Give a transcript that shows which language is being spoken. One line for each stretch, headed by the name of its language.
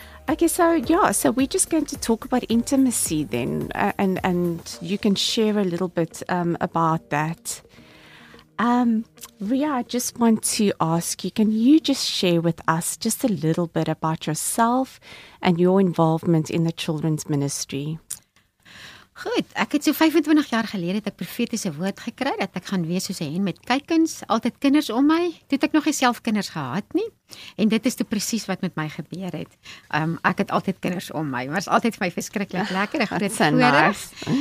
English: Okay, so yeah, so we're just going to talk about intimacy then, and you can share a little bit about that. Ria, I just want to ask you, can you just share with us just a little bit about yourself and your involvement in the children's ministry?
Afrikaans: Goed, ek het so 25 jaar gelede het ek profetiese woord gekry dat ek gaan wees soos 'n hen met kuikens, altyd kinders om my. Toe het ek nog nie self kinders gehad nie. En dit is toe presies wat met my gebeur het. Ek het altyd kinders om my. Was altyd vir my verskriklik lekker, ek groot voorreg.